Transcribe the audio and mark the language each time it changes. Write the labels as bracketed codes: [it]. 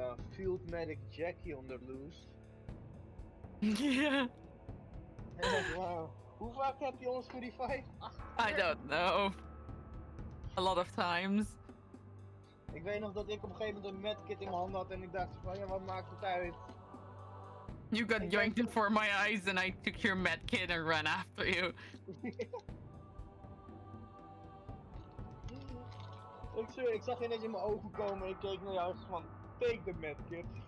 [en] Field medic Jackie on the loose. Yeah. Wow. [nl] Hoe vaak heb je ons gerevived? [en] I don't know. A lot of times. [nl] Ik weet nog dat ik op een gegeven moment een medkit in mijn hand had en ik dacht van ja, wat maakt het uit? [en] You got yoinked before my eyes and I took your medkit and ran after you. [nl] Ik zweer, ik zag ineens in mijn ogen komen en ik keek naar jou van [en] take the medkit.